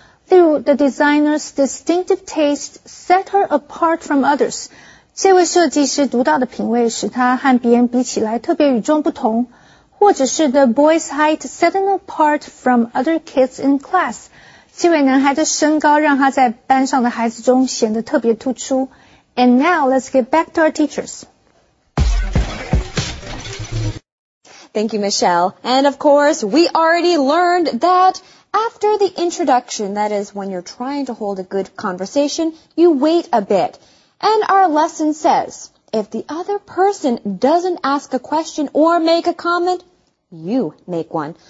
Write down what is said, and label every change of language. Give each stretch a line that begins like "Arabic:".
Chinese: 例如
English: ,the designer's distinctive taste set her apart from others.
Chinese: 这位设计师独到的品味使他和别人比起来特别与众不同。或者是
English: the boy's height set him apart from other kids in class.
Chinese: 这位男孩的身高让他在班上的孩子中显得特别突出。
English: And now, let's get back to our teachers. Thank you, Michelle. And of course, we already learned that... After the introduction, that is when you're trying to hold a good conversation, you wait a bit. And our lesson says, if the other person doesn't ask a question or make a comment, you make one.